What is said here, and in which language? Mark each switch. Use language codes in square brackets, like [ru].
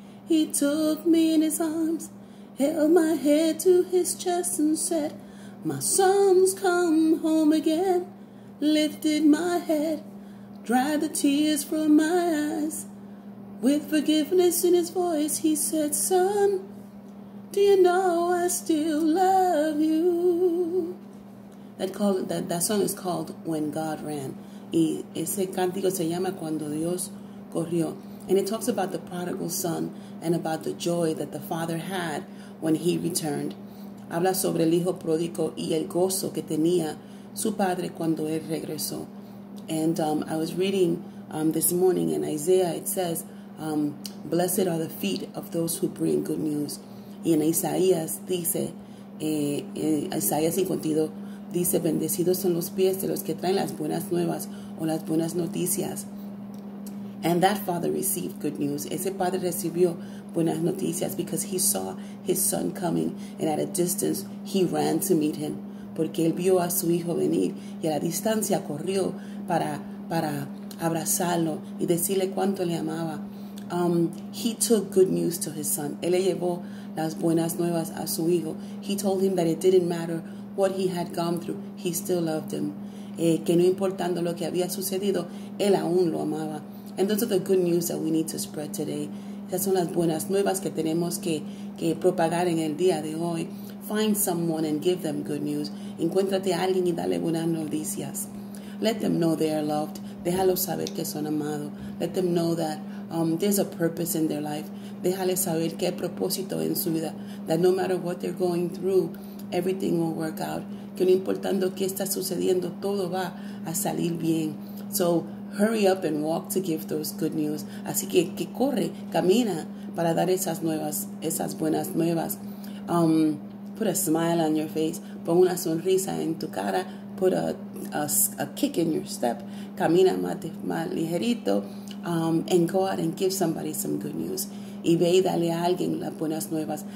[en] He took me in his arms, held my head to his chest and said, my son's come home again. Lifted my head, dried the tears from my eyes. With forgiveness in his voice, he said, son, do you know I still love you? That song is called When God Ran. [es] Y ese cántico se llama Cuando Dios Corrió. [en] And it talks about the prodigal son and about the joy that the father had when he returned. [es] Habla sobre el hijo pródigo y el gozo que tenía su padre cuando él regresó. [en] And I was reading this morning in Isaiah, it says, blessed are the feet of those who bring good news. [es] Y en Isaías dice, Isaías 52 dice, bendecidos son los pies de los que traen las buenas nuevas o las buenas noticias. [en] And that father received good news. [es] Ese padre recibió buenas noticias [en] because he saw his son coming and at a distance he ran to meet him. [es] Porque él vio a su hijo venir y a la distancia corrió para abrazarlo y decirle cuánto le amaba. [en] He took good news to his son. [es] Él le llevó las buenas nuevas a su hijo. [en] He told him that it didn't matter what he had gone through. He still loved him. [es] Que no importando lo que había sucedido, él aún lo amaba. [en] And those are the good news that we need to spread today. [es] Esas son las buenas nuevas que tenemos que propagar en el día de hoy. [en] Find someone and give them good news. [es] Encuéntrate a alguien y dale buenas noticias. [en] Let them know they are loved. [es] Déjalo saber que son amados. [en] Let them know that there's a purpose in their life. [es] Déjale saber que hay propósito en su vida. [en] That no matter what they're going through, everything will work out. [es] Que no importando qué está sucediendo, todo va a salir bien. [en] So hurry up and walk to give those good news. [es] Así que corre, camina para dar esas nuevas, esas buenas nuevas. [en] Put a smile on your face. [es] Pon una sonrisa en tu cara. [en] Put a kick in your step. [es] Camina más ligerito. [en] And go out and give somebody some good news. [es] Y ve y dale a alguien las buenas nuevas.